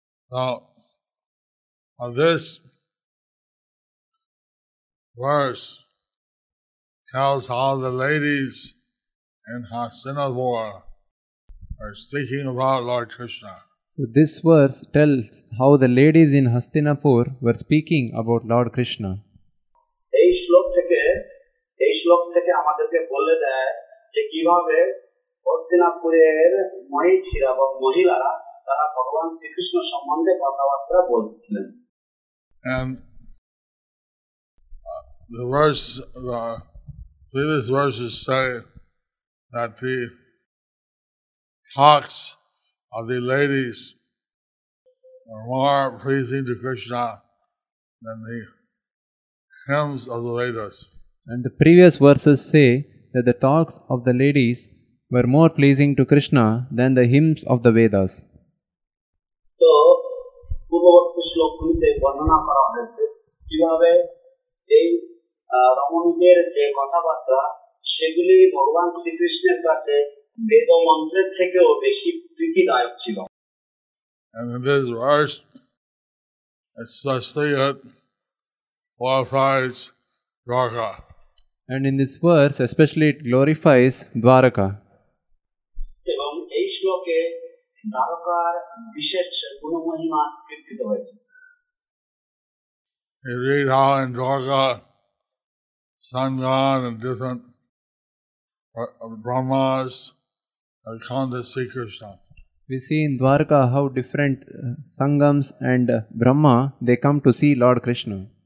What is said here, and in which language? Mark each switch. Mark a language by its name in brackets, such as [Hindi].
[English] Now, of this verse tells how the ladies in Hastinapur are speaking about Lord Krishna. So this verse tells how the ladies in Hastinapur were speaking about Lord Krishna. [Bangla] এই শ্লোক থেকে আমাদেরকে বলে দেয় যে কিভাবে হস্তিনাপুরের মহিলা বা মহিলারা তারা ভগবান শ্রীকৃষ্ণ সম্বন্ধে কথাবার্তা বলছিলেন. [English] And the previous verses say that the talks of the ladies are more pleasing to Krishna than the hymns of the Vedas. And the previous verses say that the talks of the ladies were more pleasing to Krishna than the hymns of the Vedas. [Bangla] So, পূর্ববর্তী শ্লোকগুলিতে বর্ণনা করা হয়েছে কিভাবে এই রমণীদের যে কথাবার্তা সেগুলি ভগবান শ্রীকৃষ্ণের কাছে বেদ মন্ত্রের থেকেও বেশি প্রীতিদায়ক ছিল. [English] And in this verse, especially it glorifies Dwarka. And in this verse, especially it glorifies Dwarka. [Bangla] এবং এই শ্লোকে দ্বারকার বিশেষ গুণমহিমা চিত্রিত হয়েছে. [English] You read how in Dwarka, sun god and different brahmas have come to see Krishna. We see in Dwarka how different sangams and brahma they come to see Lord Krishna.